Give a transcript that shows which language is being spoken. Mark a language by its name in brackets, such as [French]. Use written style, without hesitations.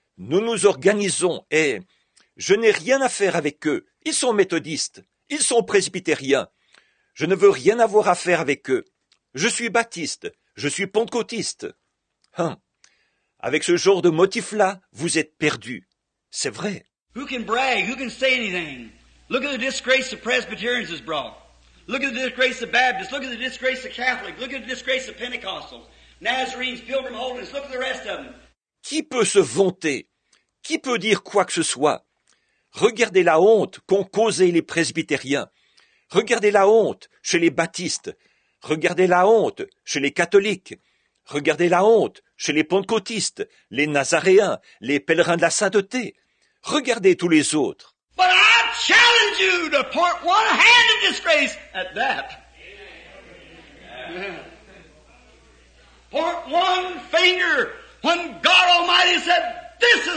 [French] Nous nous organisons et je n'ai rien à faire avec eux. Ils sont méthodistes, ils sont presbytériens. Je ne veux rien avoir à faire avec eux. Je suis baptiste, je suis pentecôtiste. Hein? Avec ce genre de motifs-là, vous êtes perdus. C'est vrai. [English] Who can brag? Who can say anything? Look at the disgrace the Presbyterians has brought. Look at the disgrace of Baptists. Look at the disgrace of Catholics. Look at the disgrace of Pentecostals. Nazarenes, Pilgrim Holiness. Look at the rest of them. [French] Qui peut se vanter? Qui peut dire quoi que ce soit? Regardez la honte qu'ont causée les presbytériens. Regardez la honte chez les baptistes. Regardez la honte chez les catholiques. Regardez la honte chez les pentecôtistes, les nazaréens, les pèlerins de la sainteté. Regardez tous les autres. [English] But I challenge you to part one hand in disgrace at that. Part one finger when God Almighty said, this is